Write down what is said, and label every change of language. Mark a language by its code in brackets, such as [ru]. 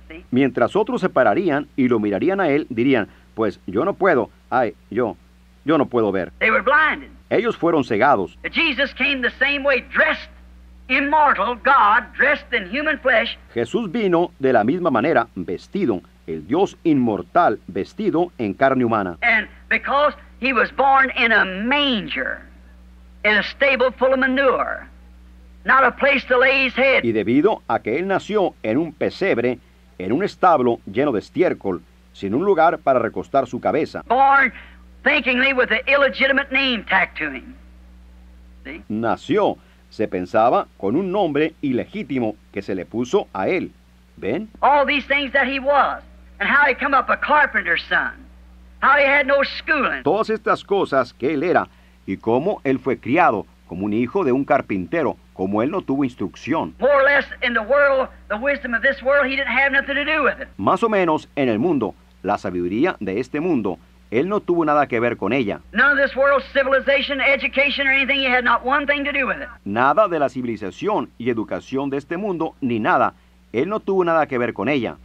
[es] Mientras otros se pararían y lo mirarían a él, dirían, pues yo no puedo, ay, yo no puedo ver. [en] They were blinded. [es] Ellos fueron cegados. [en] Jesus came the same way, dressed immortal God, dressed in human flesh. [es] Jesús vino de la misma manera, vestido, el Dios inmortal, vestido en carne humana. [en] And because he was born in a manger, in a stable full of manure, not a place to lay his head. [es] Y debido a que él nació en un pesebre, en un establo lleno de estiércol, sin un lugar para recostar su cabeza. [en] Born thinkingly with an illegitimate name tacked to him. See? [es] Nació, se pensaba, con un nombre ilegítimo que se le puso a él. ¿Ven? [en] All these things that he was, and how he come up a carpenter's son. How he had no schooling. [es] Todas estas cosas que él era y cómo él fue criado como un hijo de un carpintero, como él no tuvo instrucción. [en] More or less in the world, the wisdom of this world, he didn't have nothing to do with it. [es] Más o menos en el mundo, la sabiduría de este mundo, él no tuvo nada que ver con ella. [en] None of this world's civilization, education or anything, he had not one thing to do with it. [es] Nada de la civilización y educación de este mundo ni nada, él no tuvo nada que ver con ella.